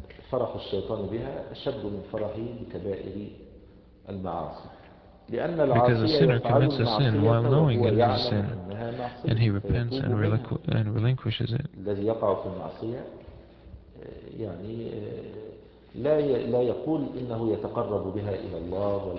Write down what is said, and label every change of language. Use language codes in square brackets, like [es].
[ar] فرح الشيطان بها أشد من فرحه بكبائر المعاصي، لأن العاصي يفعل المعصية ويعلم أنها معصية [en] and he repents and relinquishes it. [ar] الذي يقع في المعصية يعني لا يقول إنه يتقرب بها إلى الله.